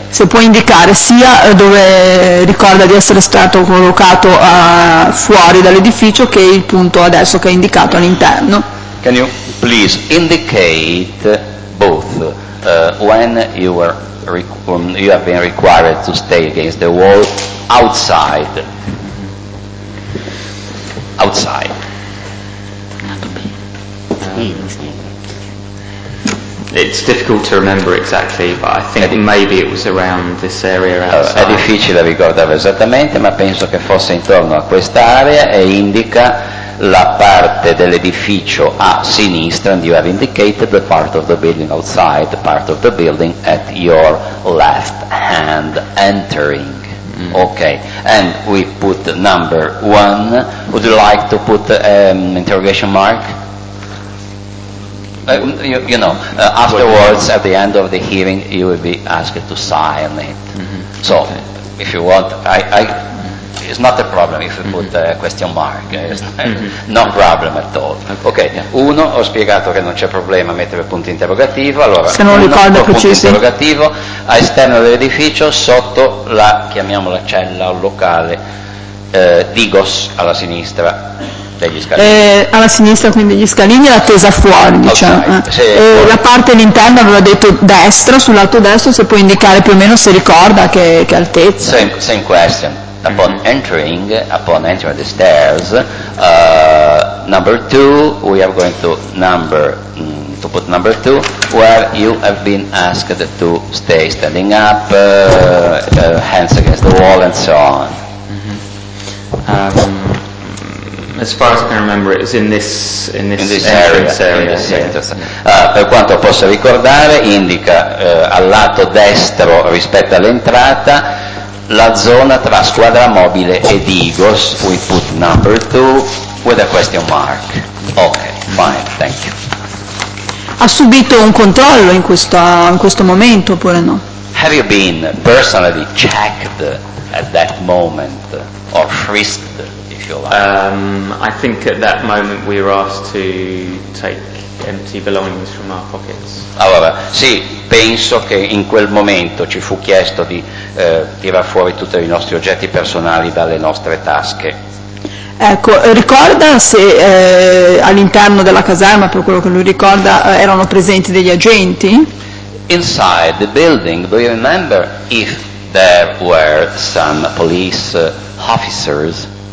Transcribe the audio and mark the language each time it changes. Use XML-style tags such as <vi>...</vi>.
<it>Se può indicare sia dove ricorda di essere stato collocato fuori dall'edificio che il punto adesso che è indicato all'interno.</it> <en>Can you please indicate both when you were you have been required to stay against the wall outside? It's difficult to remember exactly, but I think maybe it was around this area outside.</en> <it>È difficile ricordare esattamente, ma penso che fosse intorno a quest'area e indica la parte dell'edificio a sinistra,</it> <en>and you have indicated the part of the building outside, the part of the building at your left hand entering. Mm. Okay, and we put number one. Would you like to put an interrogation mark? Afterwards, at the end of the hearing, you will be asked to sign it. Mm-hmm. So, okay. If you want, I it's not a problem if you put a question mark. No problem at all. Okay.</en> <it>Uno, ho spiegato che non c'è problema a mettere punto interrogativo. Allora, se non ricordo punto interrogativo a esterno dell'edificio, sotto la, chiamiamola cella o locale, Digos, alla sinistra degli scalini. Alla sinistra, quindi gli scalini, l'attesa fuori, diciamo. Okay. La parte all'interno, aveva detto destra, sul lato destro, se puoi indicare più o meno se ricorda che altezza.</it> <en>Same question. Upon entering the stairs, number two, we are going to put number two, where you have been asked to stay standing up, hands against the wall, and so on. As far as I can remember, it was in this area.</en> <it>Per quanto possa ricordare, indica al lato destro rispetto all'entrata. La zona tra squadra mobile e Digos,</it> <en>we put number two with a question mark. Okay, fine, thank you.</en> <it>Ha subito un controllo in questo momento oppure no?</it> <en>Have you been personally checked at that moment or frisked, if you like? I think at that moment we were asked to take empty belongings from our pockets.</en> <it>Allora, sì, penso che in quel momento ci fu chiesto di tirar fuori tutti i nostri oggetti personali dalle nostre tasche. Ecco, ricorda se all'interno della caserma, per quello che lui ricorda, erano presenti degli agenti?</it> <en>Inside the building, do you remember if there were some police officers?</en>